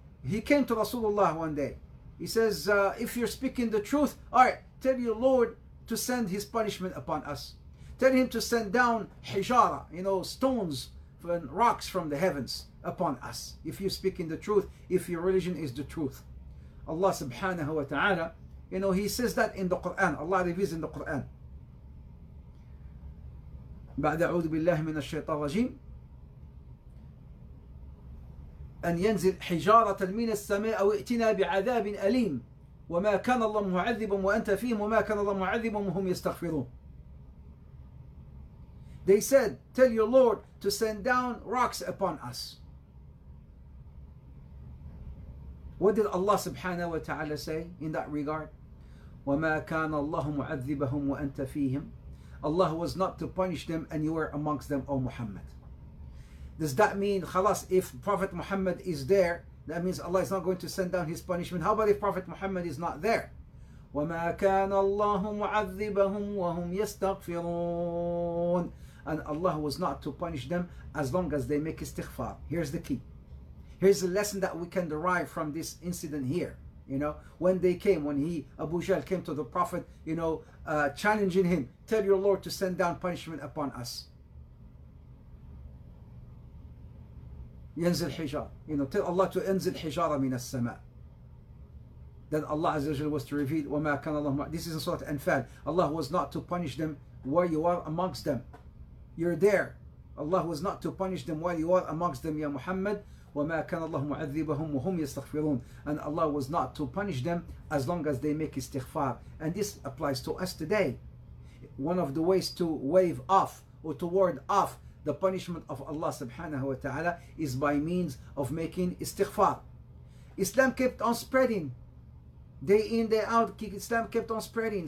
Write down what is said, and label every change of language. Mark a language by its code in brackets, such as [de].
[en] He came to Rasulullah one day. He says, if you're speaking the truth, all right, tell your Lord to send his punishment upon us. Tell him to send down hijara, you know, stones and rocks from the heavens upon us. If you're speaking the truth, if your religion is the truth. Allah subhanahu wa ta'ala, you know, he says that in the Quran. Allah reveals in the Quran. [ar] بعد أعوذ بالله من الشيطان الرجيم أن ينزل حجارة من السماء أو ائتنا بعذاب أليم وما كان الله معذبهم وأنت فيهم وما كان الله معذبهم هم يستغفرون. [en] They said, tell your Lord to send down rocks upon us. What did Allah subhanahu wa ta'ala say in that regard? [ar] وما كان الله معذبهم وأنت فيهم. [en] Allah was not to punish them and you were amongst them, O Muhammad. Does that mean, khalas, if Prophet Muhammad is there, that means Allah is not going to send down his punishment? How about if Prophet Muhammad is not there? [ar] وَمَا كَانَ اللَّهُ مُعَذِّبَهُمْ وَهُمْ يَسْتَغْفِرُونَ. [en] And Allah was not to punish them as long as they make istighfar. Here's the key. Here's the lesson that we can derive from this incident here. You know, when they came, when he, Abu Jahl, came to the Prophet, you know, challenging him, tell your Lord to send down punishment upon us. [ar] ينزل حجارة, [en] you know, tell Allah to [ar] انزل حجارة من السماء. [en] Then Allah Azza wa Jalla was to reveal, [ar] وما كان الله, [en] this is in Surah Anfal. Allah was not to punish them while you are amongst them. You're there. Allah was not to punish them while you are amongst them, Ya Muhammad. [ar] وما كان الله معذبهم وهم يستغفرون. [en] And Allah was not to punish them as long as they make istighfar. And this applies to us today. One of the ways to wave off or to ward off the punishment of Allah subhanahu wa ta'ala is by means of making istighfar. Islam kept on spreading. Day in, day out, Islam kept on spreading.